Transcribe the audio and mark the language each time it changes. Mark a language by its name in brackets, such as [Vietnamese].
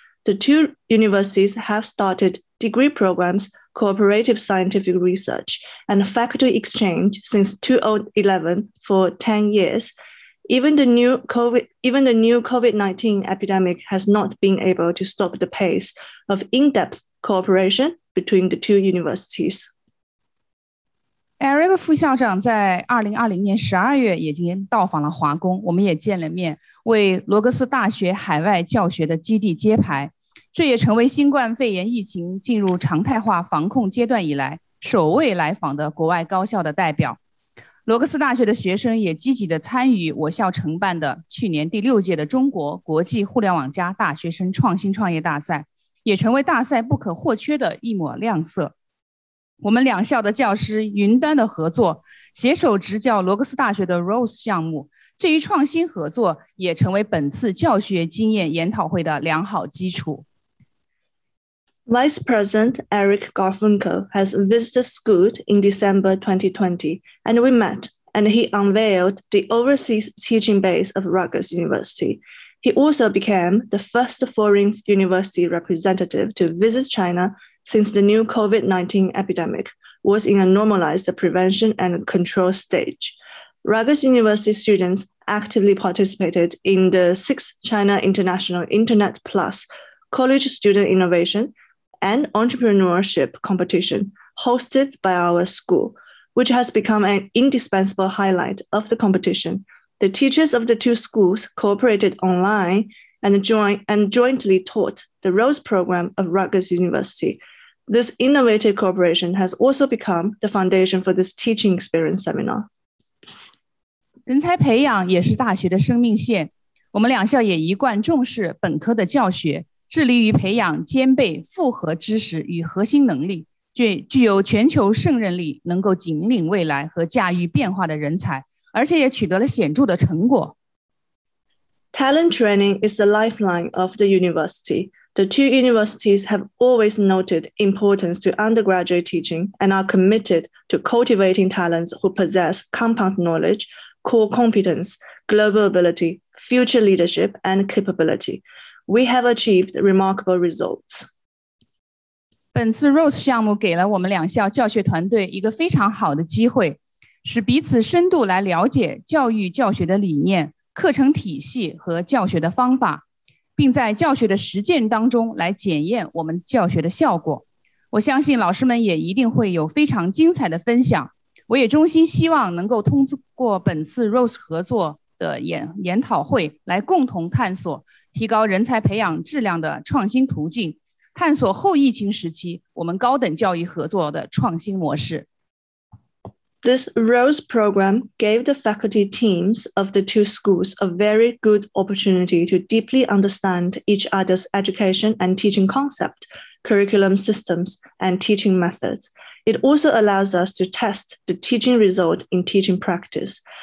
[English] The two universities have started degree programs, cooperative scientific research, and faculty exchange since 2011 for 10 years. Even the new COVID-19 epidemic has not been able to stop the pace of in-depth cooperation between the two universities. [Chinese] Eric 副校长在2020年12月已经到访了华工，我们也见了面，为罗格斯大学海外教学的基地揭牌。这也成为新冠肺炎疫情进入常态化防控阶段以来，首位来访的国外高校的代表。罗格斯大学的学生也积极地参与我校承办的去年第六届的中国国际互联网加大学生创新创业大赛，也成为大赛不可或缺的一抹亮色。我们两校的教师云端的合作，携手执教罗格斯大学的 ROSE 项目，这一创新合作也成为本次教学经验研讨会的良好基础。 [English] Vice President Eric Garfunkel has visited SCUT in December 2020, and we met, and he unveiled the overseas teaching base of Rutgers University. He also became the first foreign university representative to visit China. Since the new COVID-19 epidemic was in a normalized prevention and control stage, Rutgers University students actively participated in the 6th China International Internet Plus College Student Innovation and Entrepreneurship Competition hosted by our school, which has become an indispensable highlight of the competition. The teachers of the two schools cooperated online and jointly taught the ROSE program of Rutgers University. This innovative cooperation has also become the foundation for this teaching experience seminar. [Chinese] 人才培养也是大学的生命线。我们两校也一贯重视本科的教学，致力于培养兼备复合知识与核心能力，具有全球胜任力，能够引领未来和驾驭变化的人才，而且也取得了显著的成果。 [English] Talent training is the lifeline of the university. The two universities have always noted importance to undergraduate teaching and are committed to cultivating talents who possess compound knowledge, core competence, global ability, future leadership, and capability. We have achieved remarkable results. [Chinese] 本次 ROSE 项目给了我们两校教学团队一个非常好的机会，使彼此深度来了解教育教学的理念、课程体系和教学的方法。并在教学的实践当中来检验我们教学的效果。我相信老师们也一定会有非常精彩的分享。我也衷心希望能够通过本次 ROSE 合作的研讨会来共同探索提高人才培养质量的创新途径，探索后疫情时期我们高等教育合作的创新模式。 [English] This ROSE program gave the faculty teams of the two schools a very good opportunity to deeply understand each other's education and teaching concept, curriculum systems, and teaching methods. It also allows us to test the teaching result in teaching practice.